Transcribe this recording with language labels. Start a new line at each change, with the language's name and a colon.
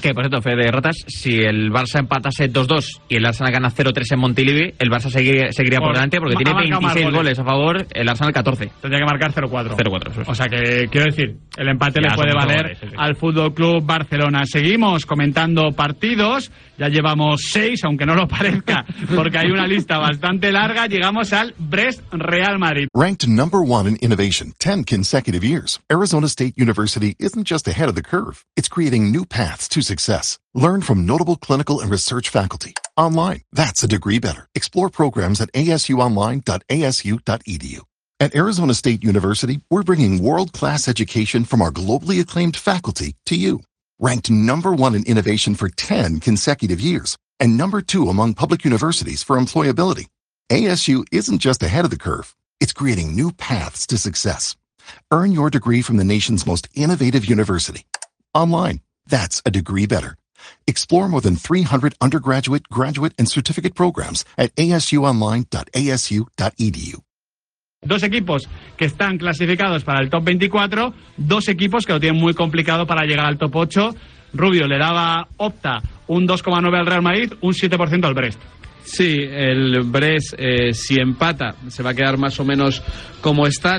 Spanish: Que, por cierto, fe de ratas, si el Barça empatase 2-2 y el Arsenal gana 0-3 en Montilivi, el Barça seguiría por delante porque tiene 26 goles a favor, el Arsenal 14. Tendría que marcar 0-4. 0-4, eso sí. O sea que, quiero decir, el empate ya le puede valer al FC Barcelona. Seguimos comentando partidos. Ya llevamos 6, aunque no lo parezca, porque hay una lista bastante larga. Llegamos al Brest-Real Madrid.
English: Ranked number one in innovation 10 consecutive years. Arizona State University is just ahead of the curve. It's creating new paths to success. Learn from notable clinical and research faculty. Online, that's a degree better. Explore programs at asuonline.asu.edu. At Arizona State University, we're bringing world-class education from our globally acclaimed faculty to you. Ranked number one in innovation for 10 consecutive years and number two among public universities for employability, ASU isn't just ahead of the curve. It's creating new paths to success. Earn your degree from the nation's most innovative university. Online, that's a degree better. Explore more than 300 undergraduate, graduate, and certificate programs at asuonline.asu.edu.
Spanish: Dos equipos que están clasificados para el top 24, dos equipos que lo tienen muy complicado para llegar al top 8. Rubio, le daba Opta un 2,9 al Real Madrid, un 7% al Brest. Sí, el Brest, si empata, se va a quedar más o menos como está.